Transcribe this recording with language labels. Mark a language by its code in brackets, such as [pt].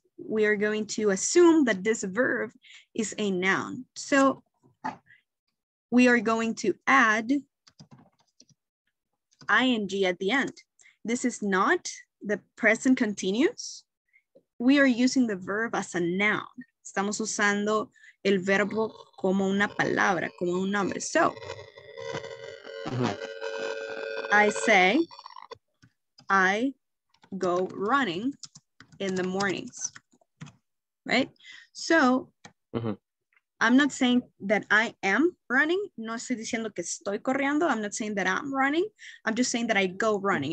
[en] We are going to assume that this verb is a noun. So we are going to add ing at the end. This is not the present continuous. We are using the verb as a noun. [es] Estamos usando el verbo como una palabra, como un nombre. [en] So, I say, I go running in the mornings, right? So, I'm not saying that I am running. [es] No estoy diciendo que estoy corriendo. [en] I'm not saying that I'm running. I'm just saying that I go running.